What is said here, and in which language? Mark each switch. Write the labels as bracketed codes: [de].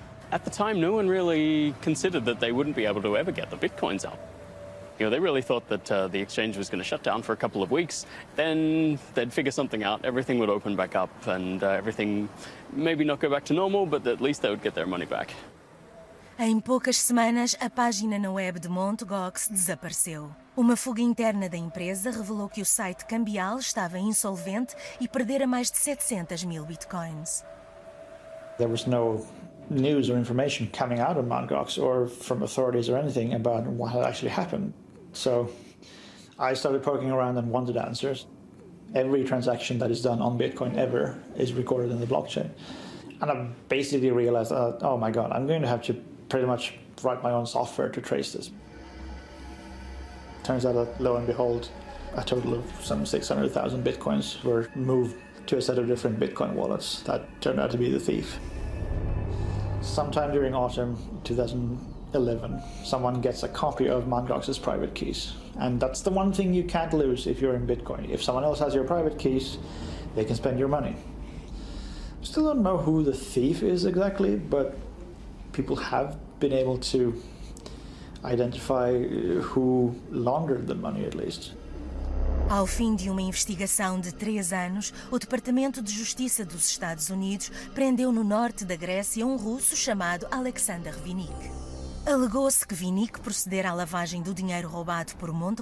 [en] At the time, no one really considered that they wouldn't be able to ever get the bitcoins out. You know, they really thought that the exchange was going to shut down for a couple of weeks, then they'd figure something out, everything would open back up, and everything maybe not go back to normal, but at least they would get their money back. [pt] Em poucas semanas, a página na web de Mt. Gox desapareceu. Uma fuga interna da empresa revelou que o site cambial estava insolvente e perdera mais de 700 mil bitcoins. [en] There was no news or information coming out of Mt. Gox or from authorities or anything about what had actually happened. So I started poking around and wanted answers. Every transaction that is done on Bitcoin ever is recorded in the blockchain. And I basically realized, oh my God, I'm going to have to pretty much write my own software to trace this. Turns out that lo and behold, a total of some 600,000 Bitcoins were moved to a set of different Bitcoin wallets that turned out to be the thief. Sometime during autumn 2011, someone gets a copy of Mt. Gox's private keys. And that's the one thing you can't lose if you're in Bitcoin. If someone else has your private keys, they can spend your money. Still don't know who the thief is exactly, but people have been able to identify who laundered the money at least. [pt] Ao fim de uma investigação de 3 anos, o Departamento de Justiça dos Estados Unidos prendeu no norte da Grécia um russo chamado Alexander Vinik. Alegou-se que Vinik procedera à lavagem do dinheiro roubado por Mt.